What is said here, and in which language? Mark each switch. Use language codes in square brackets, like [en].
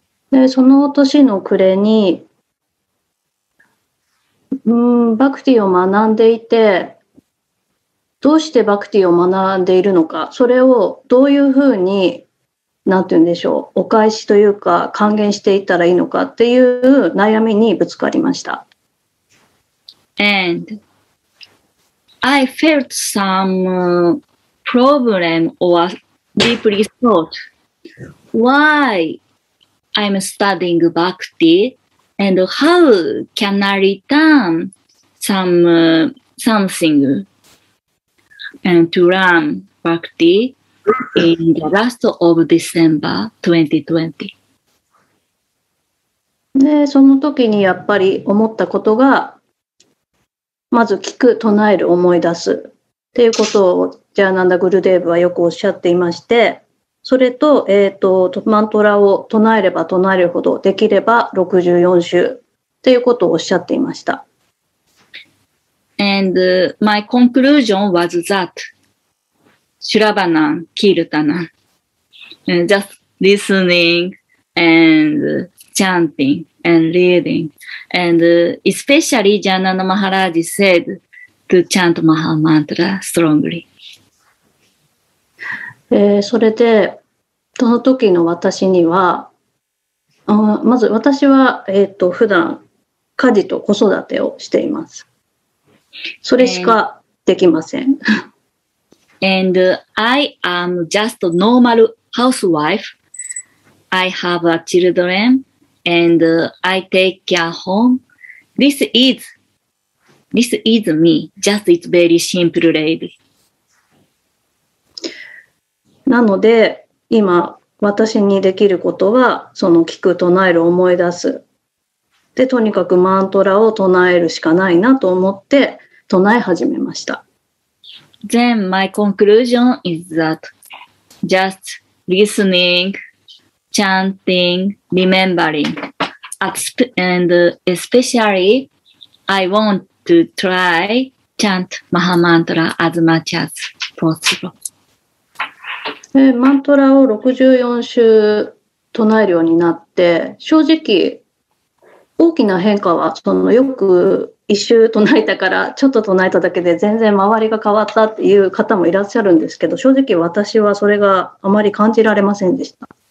[ja] で、その年の暮れに、バクティを学んでいて、どうしてバクティを学んでいるのか、それをどういうふうに、なんて言うんでしょう、お返しというか、還元していったらいいのかっていう悩みにぶつかりました。 [en] And I felt some problem or deeply thought why I'm studying Bhakti and how can I return something. And to run Bhakti in the last of December 2020. [ja] で、その時にやっぱり思ったことが、まず聞く、唱える、思い出すっていうことをジャーナンダ・グルデーブはよくおっしゃっていまして、それと、マントラを唱えれば唱えるほど、できれば64週っていうことをおっしゃっていました。 [en] And my conclusion was that Shravana Kirtana, just listening and chanting and reading, and especially Jayananda Maharaj said to chant Maha Mantra strongly. [ja] それで、その時の私には、まず私は、普段家事と子育てをしています。それしかできません。 [en] And I am just a normal housewife. I have a children and I take care home. This is me. Just it's very simple lady. [ja] なので、今私にできることは、その聞く、唱える、思い出す。で、とにかくマントラを唱えるしかないなと思って、唱え始めました。 [en] Then my conclusion is that just listening, chanting, remembering, and especially I want to try chant Maha Mantra as much as possible. [ja] マントラを64週唱えるようになって、正直大きな変化はそのよく一周唱えたからちょっと唱えただけで全然周りが変わったっていう方もいらっしゃるんですけど、正直私はそれがあまり感じられませんでした。